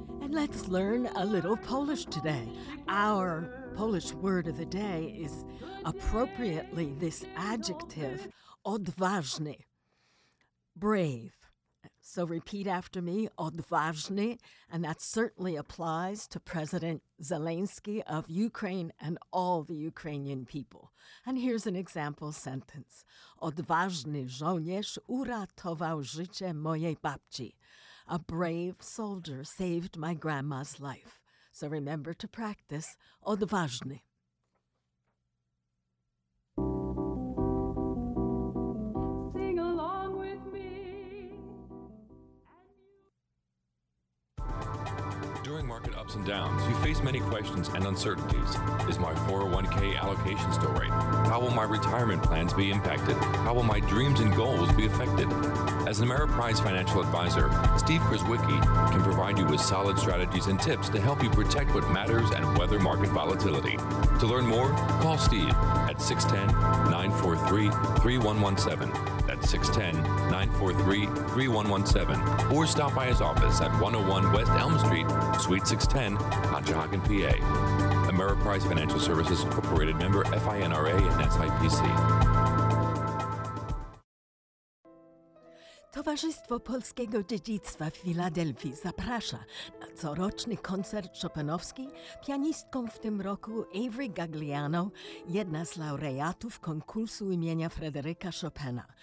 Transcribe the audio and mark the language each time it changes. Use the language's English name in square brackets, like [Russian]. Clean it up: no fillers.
[English] Let's learn a little Polish today. Our Polish word of the day is appropriately this adjective, odważny, brave. So repeat after me, odważny, and that certainly applies to President Zelensky of Ukraine and all the Ukrainian people. And here's an example sentence. [Polish] Odważny żołnierz uratował życie mojej babci. [English] A brave soldier saved my grandma's life. So remember to practice odważny. Sing along with me. During market ups and downs, you face many questions and uncertainties. Is my 401k allocation still right? How will my retirement plans be impacted? How will my dreams and goals be affected? As an Ameriprise financial advisor, Steve Krzyzewski can provide you with solid strategies and tips to help you protect what matters and weather market volatility. To learn more, call Steve at 610-943-3117. That's 610-943-3117. Or stop by his office at 101 West Elm Street, Suite 610, Conshohocken, PA. Ameriprise Financial Services Incorporated, member FINRA and SIPC. [Polish] Towarzystwo Polskiego Dziedzictwa w Filadelfii zaprasza na coroczny koncert Chopinowski pianistką w tym roku Avery Gagliano, jedna z laureatów konkursu imienia Fryderyka Chopina.